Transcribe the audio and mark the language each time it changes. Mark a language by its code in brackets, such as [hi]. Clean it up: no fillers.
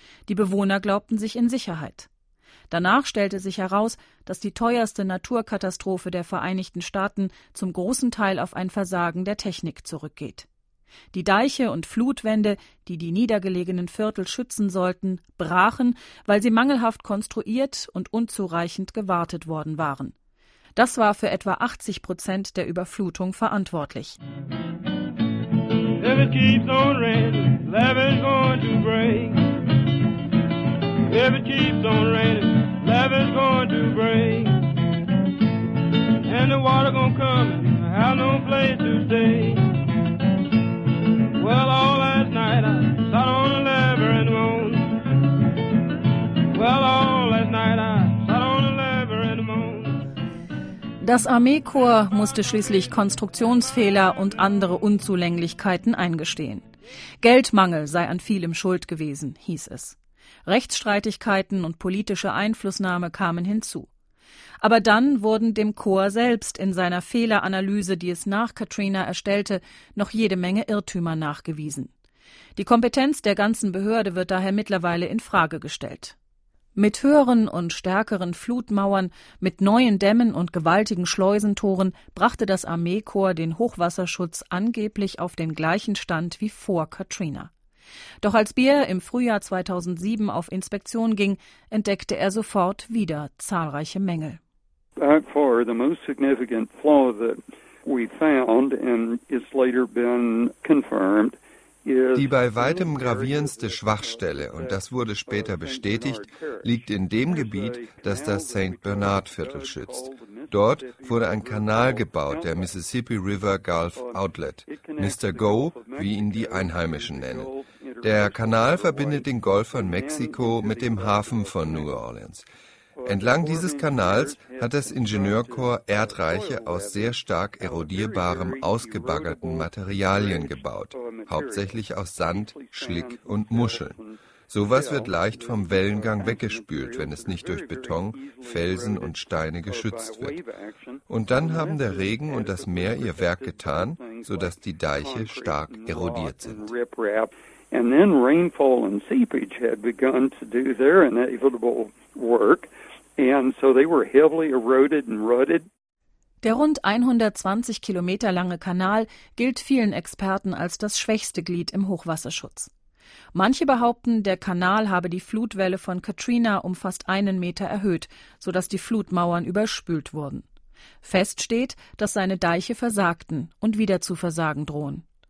[de] Die Bewohner glaubten sich in Sicherheit. Danach stellte sich heraus, dass die teuerste Naturkatastrophe der Vereinigten Staaten zum großen Teil auf ein Versagen der Technik zurückgeht. Die Deiche und Flutwände, die die niedergelegenen Viertel schützen sollten, brachen, weil sie mangelhaft konstruiert und unzureichend gewartet worden waren. Das war für etwa 80% der Überflutung verantwortlich. [en] If it keeps on raining, love is going to break. If it keeps on raining, love is going to break. And the water gonna come and I have no place to stay. Well, all last night I sat on a lever and moaned. Well, all last night I sat on a lever and moaned. [de] Das Armeekorps musste schließlich Konstruktionsfehler und andere Unzulänglichkeiten eingestehen. Geldmangel sei an vielem schuld gewesen, hieß es. Rechtsstreitigkeiten und politische Einflussnahme kamen hinzu. Aber dann wurden dem Korps selbst in seiner Fehleranalyse, die es nach Katrina erstellte, noch jede Menge Irrtümer nachgewiesen. Die Kompetenz der ganzen Behörde wird daher mittlerweile in Frage gestellt. Mit höheren und stärkeren Flutmauern, mit neuen Dämmen und gewaltigen Schleusentoren brachte das Armeekorps den Hochwasserschutz angeblich auf den gleichen Stand wie vor Katrina. Doch als Bier im Frühjahr 2007 auf Inspektion ging, entdeckte er sofort wieder zahlreiche Mängel. [en] by far the most significant flaw that we found and it's later been confirmed. [de] Die bei weitem gravierendste Schwachstelle, und das wurde später bestätigt, liegt in dem Gebiet, das das St. Bernard-Viertel schützt. Dort wurde ein Kanal gebaut, der Mississippi River Gulf Outlet, Mr. Go, wie ihn die Einheimischen nennen. Der Kanal verbindet den Golf von Mexiko mit dem Hafen von New Orleans. Entlang dieses Kanals hat das Ingenieurkorps Erdreiche aus sehr stark erodierbarem, ausgebaggerten Materialien gebaut, hauptsächlich aus Sand, Schlick und Muscheln. Sowas wird leicht vom Wellengang weggespült, wenn es nicht durch Beton, Felsen und Steine geschützt wird. Und dann haben der Regen und das Meer ihr Werk getan, sodass die Deiche stark erodiert sind. [en] And then rainfall and seepage had begun to do their inevitable work. And so they were heavily eroded and rutted. [de] Der rund 120 Kilometer lange Kanal gilt vielen Experten als das schwächste Glied im Hochwasserschutz. Manche behaupten, der Kanal habe die Flutwelle von Katrina um fast einen Meter erhöht, sodass die Flutmauern überspült wurden. Fest steht, dass seine Deiche versagten und wieder zu versagen drohen.